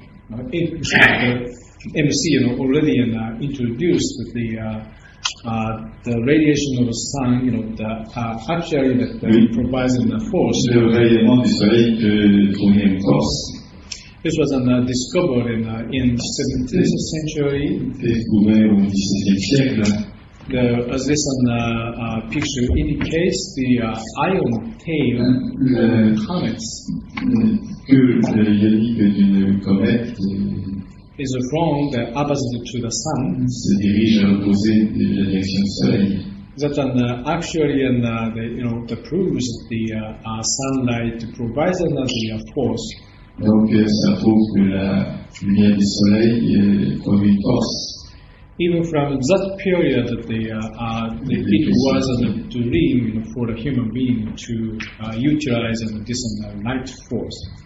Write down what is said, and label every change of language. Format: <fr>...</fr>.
<en>The MC already introduced the radiation of the sun, actually that provides a force.</en> <fr>Le rayonnement du soleil peut fournir une force.</fr> <en>This was discovered in the 17th century.</en> <fr>Découvert au 17th siècle.</fr> <en>As this picture indicates, the ion tail comets is from the opposite to the sun.</en> <fr>Se dirige à l'opposé de la direction du soleil.</fr> <en>That the proves that the sunlight provides another force.</en> <fr>Donc ça prouve que la lumière du soleil produit une force.</fr> <en>Even from that period, that it was a dream for a human being to utilize this light force.</en>